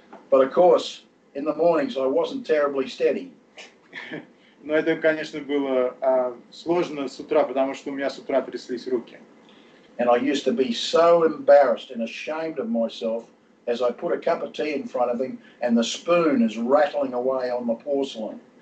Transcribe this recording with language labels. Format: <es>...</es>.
<en>But of course, in the mornings I wasn't terribly steady.</en> <ru>Но это, конечно, было сложно с утра, потому что у меня с утра тряслись руки.</ru> <en>And I used to be so embarrassed and ashamed of myself. As I put a cup of tea in front of him, and the spoon is rattling away on the porcelain.</en>